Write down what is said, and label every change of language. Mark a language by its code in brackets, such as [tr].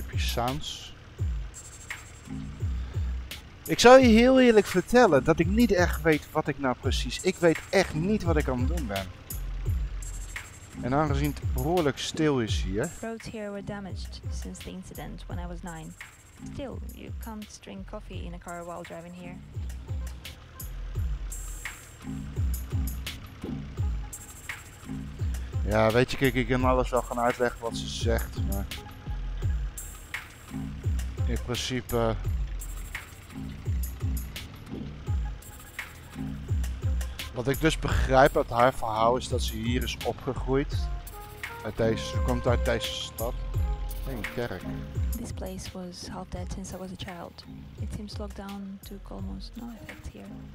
[en] Sounds. [nl] Ik zou je heel eerlijk vertellen dat ik niet echt weet wat ik nou precies... Ik weet echt niet wat ik aan het doen ben. En aangezien het behoorlijk stil is hier... [en] Roads here were damaged since the incident when I was 9. Still, you can't drink coffee in a car while driving here. [nl] Ja, weet je, kijk, ik kan alles wel gaan uitleggen wat ze zegt, maar... In principe... Wat ik dus begrijp uit haar verhaal is dat ze hier is opgegroeid. Uit deze, ze komt uit deze stad. Een kerk. [en] This place was half dead since I was a child. It seems lockdown took almost no effect here.